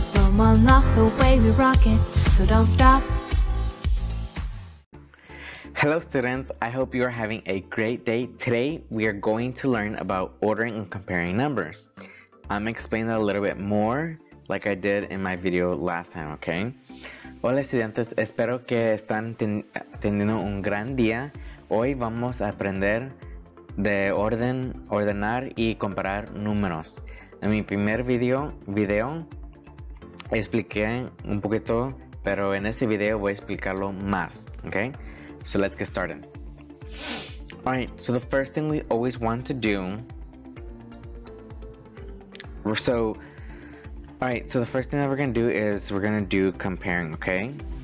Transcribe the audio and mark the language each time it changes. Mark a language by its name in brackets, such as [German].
[English] Boom, unlock the way we rock it, so don't stop. Hello students, I hope you are having a great day. Today we are going to learn about ordering and comparing numbers. I'm explaining that a little bit more like I did in my video last time, okay? [Spanish] Hola estudiantes, espero que están teniendo un gran día. Hoy vamos a aprender de ordenar y comparar números. En mi primer video expliqué un poquito, pero en este video voy a explicarlo más, okay? [English] So let's get started. All right, so the first thing we always want to do, we're gonna do comparing, okay?